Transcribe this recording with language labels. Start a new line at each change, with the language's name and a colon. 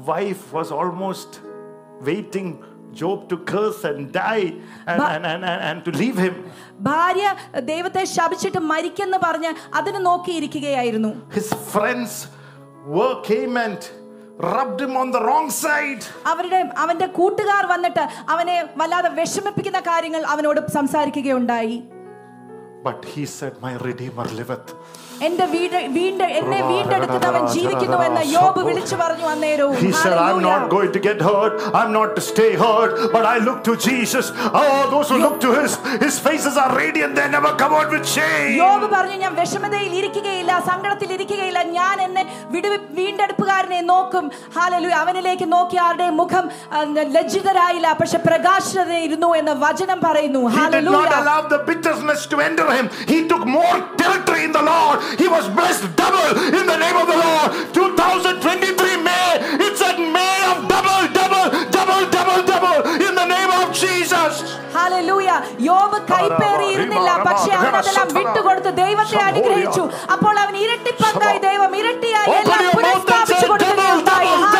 English: Wife was almost waiting Job to curse and die and to leave him.
Malayalam: ഭാര്യ ദൈവത്തെ ശപിച്ചിട്ട് മരിക്കുന്നു പറഞ്ഞു അതിനെ നോക്കിയിരിക്കുകയായിരുന്നു.
English: His friends work came and rubbed him on the wrong side.
Malayalam: അവരുടെ അവന്റെ കൂട്ടുകാർ വന്നിട്ട് അവനെ വല്ലാതെ വിഷമിപ്പിക്കുന്ന കാര്യങ്ങൾ അവനോട് സംസാരിക്കുകയുണ്ടായി.
English: But he said, my redeemer liveth.
Malayalam: എന്റെ എന്നെ വീണ്ടെടുത്തവൻ ജീവിക്കുന്നു എന്ന് യോബ് വിളിച്ചു പറഞ്ഞു അന്നേരവും.
English: He said, I'm not going to get hurt, I'm not to stay hurt, but I look to Jesus. Oh, those who look to his faces are radiant, they never come out with shame.
Malayalam: യോബ് പറഞ്ഞു, ഞാൻ വിഷമതയിൽ ഇരിക്കുകയില്ല, സങ്കടത്തിൽ ഇരിക്കുകയില്ല, ഞാൻ എന്നെ വീണ്ടെടുപ്പുകാരനെ നോക്കും. Hallelujah, അവനിലേക്ക് നോക്കി ആരുടെ മുഖം ലജ്ജിതരായില്ല, പക്ഷെ പ്രകാശിതരായിരുന്നു എന്ന് വചനം പറയുന്നു.
English: Hallelujah. He did not allow the bitterness to enter him, he took more territory in the Lord. He was blessed double in the name of the Lord. 2023 May, it's a May of double, double, double, double, double in the name of Jesus.
Malayalam: Hallelujah. യോബ് കൈപ്പേറിയിരുന്നില്ല, പക്ഷേ അവനെല്ലാം വിട്ടുകൊടുത്ത് ദൈവത്തെ അനുഗ്രഹിച്ചു. അപ്പോൾ അവൻ ഇരട്ടിപ്പന്തായി, ദൈവം ഇരട്ടിയായി എല്ലാം പുനഃസ്ഥാപിച്ചു കൊടുക്കുകയുണ്ടായി.